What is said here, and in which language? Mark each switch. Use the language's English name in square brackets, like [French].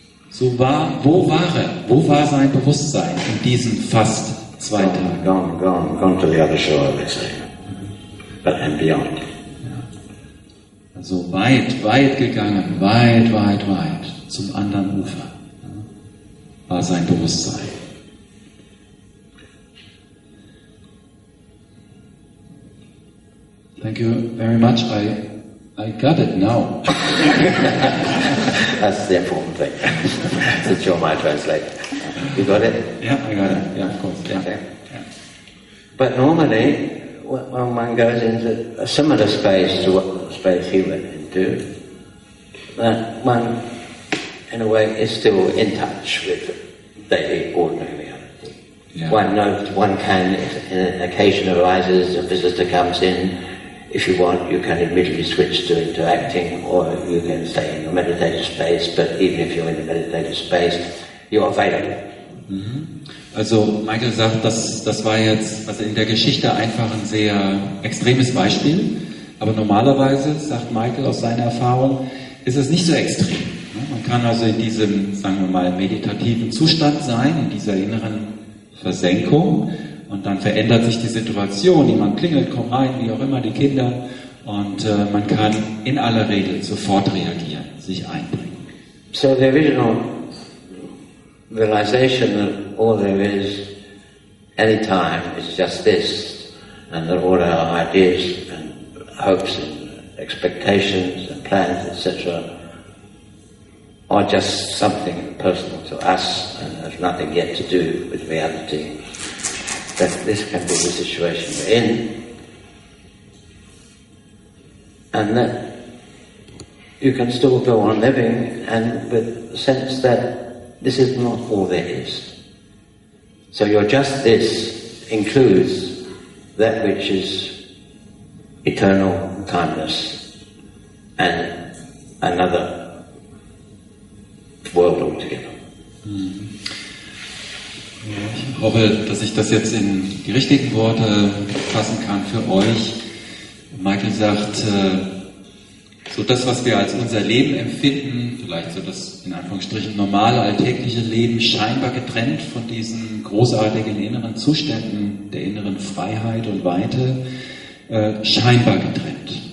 [German] So war, wo war er? Wo war sein Bewusstsein in diesen fast zwei Tagen? [English] Gone, gone, gone to the other shore, they say. But and beyond. [German] So weit, weit gegangen, weit, weit, weit, zum anderen Ufer, war sein Bewusstsein. [English] Thank you very much, I got it now. That's the important thing, since you're my translator. You got it? Yeah, I got it, yeah, of course, yeah. Okay. Yeah. But normally, when one goes into a similar space to what the space he went into, that one, in a way, is still in touch with the ordinary reality. Yeah. One knows, one can, if an occasion arises, a visitor comes in, if you want, you can immediately switch to into acting, or you can stay in your meditative space, but even if you're in the meditative space, you're available. Mm-hmm. [German] Also Michael sagt, das war jetzt also in der Geschichte einfach ein sehr extremes Beispiel. Aber normalerweise, sagt Michael aus seiner Erfahrung, ist es nicht so extrem. Man kann also in diesem, sagen wir mal, meditativen Zustand sein, in dieser inneren Versenkung. Und dann verändert sich die Situation. Jemand klingelt, kommt rein, wie auch immer, die Kinder. Und man kann in aller Regel sofort reagieren, sich einbringen. [English] So the original realization that all there is any time is just this, and that all our ideas and hopes and expectations and plans, etc., are just something personal to us and has nothing yet to do with reality, that this can be the situation we're in, and that you can still go on living and with the sense that this is not all there is. So your just this includes that which is eternal timeless and another world altogether. [German] Ich hoffe, dass ich das jetzt in die richtigen Worte fassen kann für euch. Michael sagt, so das, was wir als unser Leben empfinden, vielleicht so das in Anführungsstrichen normale, alltägliche Leben, scheinbar getrennt von diesen großartigen inneren Zuständen der inneren Freiheit und Weite, scheinbar getrennt.